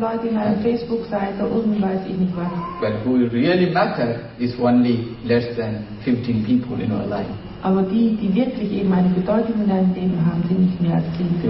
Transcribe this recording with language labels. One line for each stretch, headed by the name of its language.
German: Leute in deiner Facebook-Seite und weiß ich nicht was.
English: But who really matter is only less than 15 people in your life.
German: Aber die wirklich eben eine Bedeutung in deinem Leben haben, sind nicht mehr als 10.